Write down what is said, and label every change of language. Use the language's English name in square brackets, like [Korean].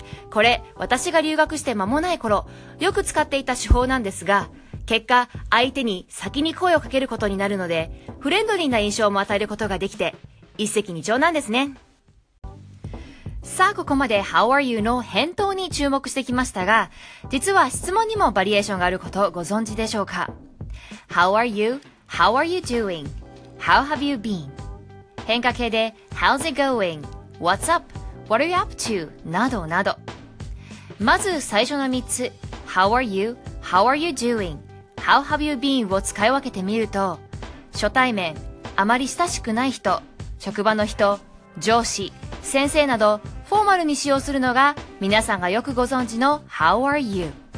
[Japanese] これ私が留学して間もない頃よく使っていた手法なんですが、結果相手に先に声をかけることになるので、フレンドリーな印象も与えることができて一石二鳥なんですね。さあここまで [English] How are you? [Japanese] の返答に注目してきましたが、実は質問にもバリエーションがあることをご存知でしょうか。 [English] How are you? How are you doing? How have you been? [Japanese] 変化形で [English] How's it going? What's up? What are you up to? [Japanese] などなど。まず最初の3つ、 [English] How are you? How are you doing? How have you been? [Japanese] を使い分けてみると、初対面、あまり親しくない人、職場の人、上司、先生などフォーマルに使用するのが皆さんがよくご存知の [English] How are you?